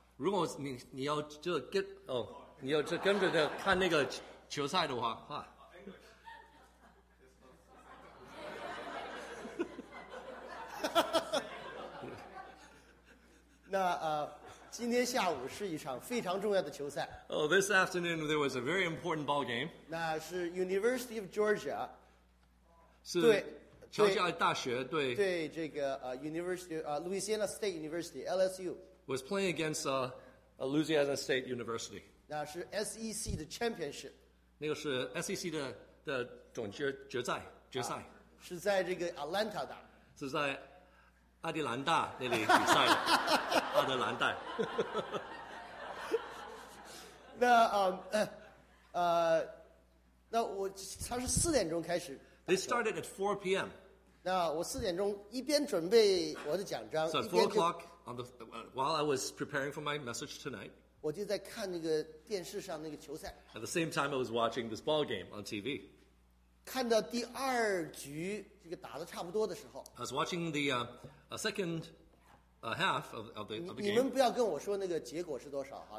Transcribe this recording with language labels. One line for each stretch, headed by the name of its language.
Chinese: 如果你要就 get 哦，你要就跟着看那个球赛的话，哇。那今天下午是一场非常重要的球赛。
English: Oh, this afternoon there was a very important ball game.
Chinese: 那是 University of Georgia. 是乔治亚大学对。对这个University Louisiana State University LSU.
English: Was playing against Louisiana State University.
Chinese: 那是 SEC 的 championship. 那个是 SEC 的总决赛。是在这个 Atlanta 打。是在。阿德兰大那里比赛的，阿德兰大。那我他是四点钟开始。
English: They started at 4 p.m.
Chinese: 那我四点钟一边准备我的讲章。
English: So at 4 o'clock while I was preparing for my message tonight，
Chinese: 我就在看那个电视上那个球赛。
English: At the same time, I was watching this ball game on TV。
Chinese: 看到第二局这个打得差不多的时候。
English: I was watching the A second half of the game.
Chinese: 你们不要跟我说那个结果是多少啊。